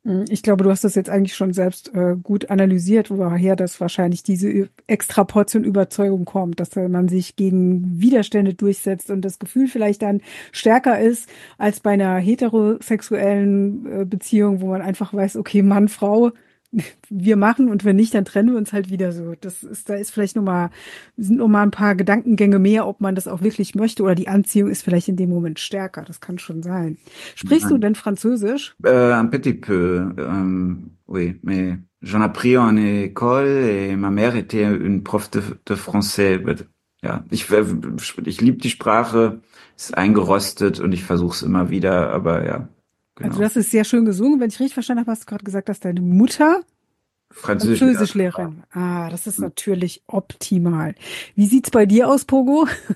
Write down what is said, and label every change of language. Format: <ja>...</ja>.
<de>Ich glaube, du hast das jetzt eigentlich schon selbst gut analysiert, woher das wahrscheinlich diese extra Portion Überzeugung kommt, dass man sich gegen Widerstände durchsetzt und das Gefühl vielleicht dann stärker ist als bei einer heterosexuellen Beziehung, wo man einfach weiß, okay, Mann, Frau, wir machen und wenn nicht, dann trennen wir uns halt wieder so. Da ist vielleicht nochmal, sind nochmal ein paar Gedankengänge mehr, ob man das auch wirklich möchte oder die Anziehung ist vielleicht in dem Moment stärker. Das kann schon sein. Sprichst du Nein. denn Französisch?</de> <fr>Un petit peu, oui, mais j'en appris en école et ma mère était une prof de français.</fr> <de>Ja, ich liebe die Sprache, ist eingerostet und ich versuche es immer wieder, aber ja, Also, genau. das ist sehr schön gesungen. Wenn ich richtig verstanden habe, hast du gerade gesagt, dass deine Mutter Französischlehrerin war. Französischlehrerin. Ah, das ist natürlich optimal. Wie sieht's bei dir aus, Pogo?</de>